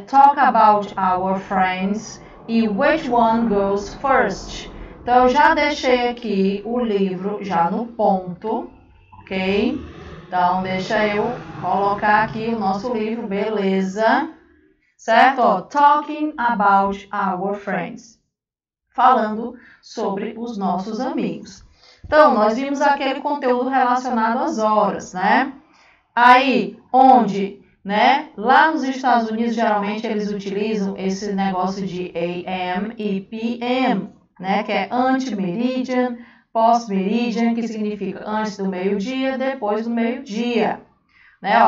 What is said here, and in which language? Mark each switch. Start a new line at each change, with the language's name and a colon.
English: Talk about our friends e which one goes first.
Portuguese: Então, eu já deixei aqui o livro já no ponto, ok? Então, deixa eu colocar aqui o nosso livro, beleza? Certo?
English: Talking about our friends.
Portuguese: Falando sobre os nossos amigos. Então, nós vimos aquele conteúdo relacionado às horas, né? Aí, onde, né? Lá nos Estados Unidos, geralmente eles utilizam esse negócio de AM e PM, né? Que é anti-meridian, pós-meridian, que significa antes do meio-dia, depois do meio-dia, né?